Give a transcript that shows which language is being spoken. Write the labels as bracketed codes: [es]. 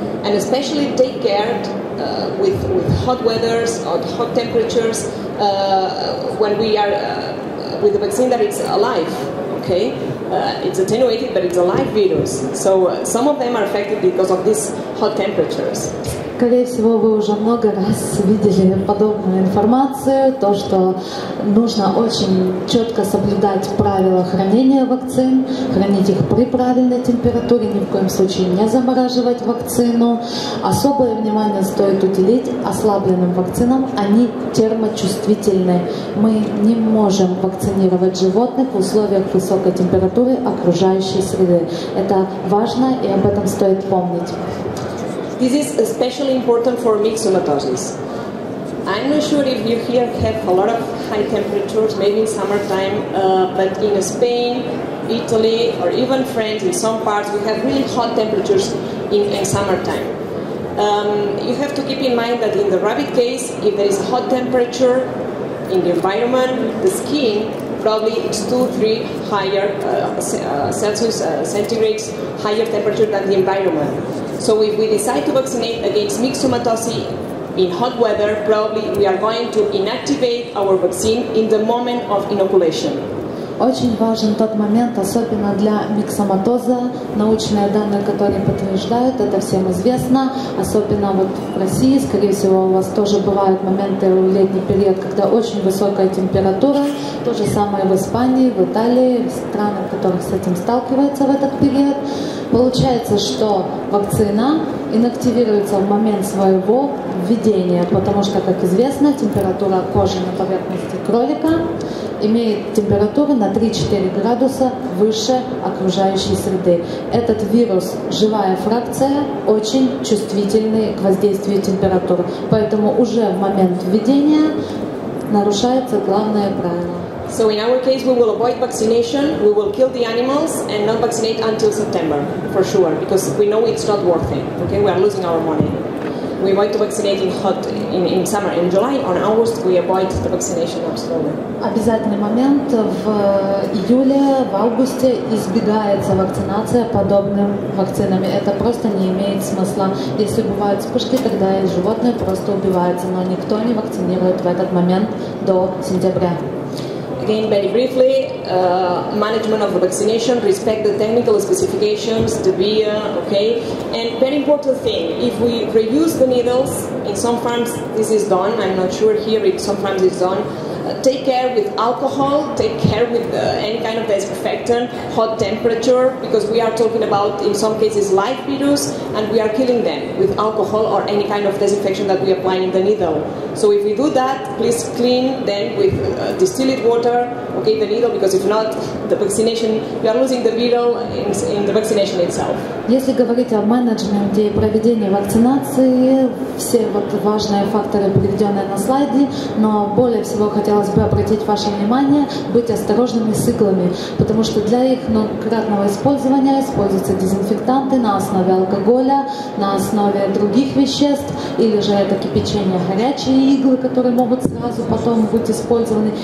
[en] And especially take care with hot weathers or hot temperatures when we are with a vaccine that it's alive. Okay. It's attenuated, but it's a live virus. So some of them are affected because of these hot temperatures. [ru] Скорее всего, вы уже много раз видели подобную информацию, то, что нужно очень четко соблюдать правила хранения вакцин, хранить их при правильной температуре, ни в коем случае не замораживать вакцину. Особое внимание стоит уделить ослабленным вакцинам, они термочувствительны. Мы не можем вакцинировать животных в условиях высокой температуры окружающей среды. Это важно, и об этом стоит помнить. [en] This is especially important for myxomatosis. I'm not sure if you here have a lot of high temperatures, maybe in summertime, but in Spain, Italy, or even France, in some parts, we have really hot temperatures in summertime. You have to keep in mind that in the rabbit case, if there is a hot temperature in the environment, the skin, probably it's 2-3 higher Celsius, centigrades, higher temperature than the environment. So if we decide to vaccinate against myxomatosis in hot weather, probably we are going to inactivate our vaccine in the moment of inoculation. [ru] Очень важен тот момент, особенно для миксоматоза. Научные данные, которые подтверждают, это всем известно. Особенно вот в России, скорее всего, у вас тоже бывают моменты в летний период, когда очень высокая температура. То же самое в Испании, в Италии, в странах, которые с этим сталкиваются в этот период. Получается, что вакцина инактивируется в момент своего введения, потому что, как известно, температура кожи на поверхности кролика имеет температуру на 3-4 градуса выше окружающей среды. Этот вирус, живая фракция, очень чувствительный к воздействию температуры, поэтому уже в момент введения нарушается главное правило. [en] So in our case, we will avoid vaccination, we will kill the animals and not vaccinate until September, for sure, because we know it's not worth it, okay? We are losing our money. We avoid to vaccinate in hot, in summer, in July, or in August, we avoid the vaccination absolutely. [ru] Обязательный момент, в июле, в августе избегается вакцинация подобным вакцинами. Это просто не имеет смысла. Если бывают вспышки, тогда и животные просто убиваются, но никто не вакцинирует в этот момент до сентября. [en] Again, again, very briefly, management of the vaccination, respect the technical specifications, the beer, okay? And very important thing, if we reuse the needles, in some farms this is done, I'm not sure here if some farms it's done, take care with alcohol, take care with any kind of disinfectant, hot temperature, because we are talking about, in some cases, live virus, and we are killing them with alcohol or any kind of disinfection that we apply in the needle. So if we do that, please clean them with distilled water, okay, the needle, because if not, the vaccination, we are losing the beetle in the vaccination itself. [ru] Если говорить о менеджменте и проведении вакцинации, все вот важные факторы приведены на слайде, но более всего хотелось бы обратить ваше внимание, быть осторожными с иглами, потому что для их многократного использования используются дезинфектанты на основе алкоголя, на основе других веществ, или же это кипячение горячие иглы, которые могут сразу потом быть использованы.